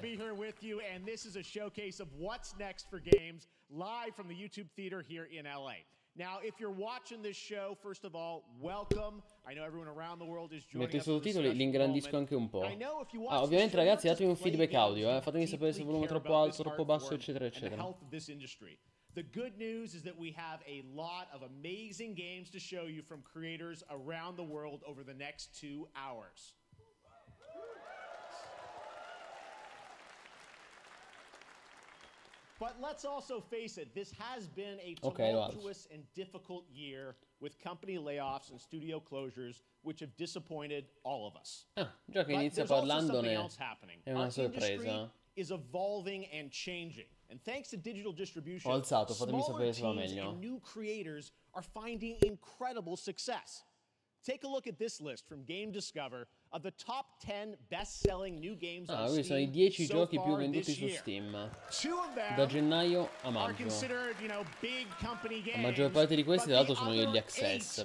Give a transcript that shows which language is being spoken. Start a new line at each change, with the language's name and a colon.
English: be here with you, and this is a showcase of what's next for games live from the YouTube Theater here in LA. Now, if you're watching this show, first of all, welcome. I know everyone around the world is joining.
Italian: Metto i sottotitoli, li ingrandisco anche un po'. Ah, ovviamente, ragazzi, datemi un feedback audio, fatemi sapere se il volume è troppo alto, troppo basso, eccetera, eccetera.
English: The good news is that we have a lot of amazing games to show you from creators around the world over the next 2 hours. But let's also face it, this has been a tumultuous and difficult year with company layoffs and studio closures, which have disappointed all of us.
Italian: Già che inizia parlandone, è una sorpresa.
English: Is evolving and changing. And thanks to digital distribution,
Italian: ho alzato, fatemi sapere se va meglio.
English: And new creators are finding incredible success. Take a look at this list from Game Discover of the top 10 best-selling new games on Steam.
Italian: Ah, sono i 10 giochi più venduti su Steam. Da gennaio a maggio. La maggior parte di questi, tra l'altro, sono in early access.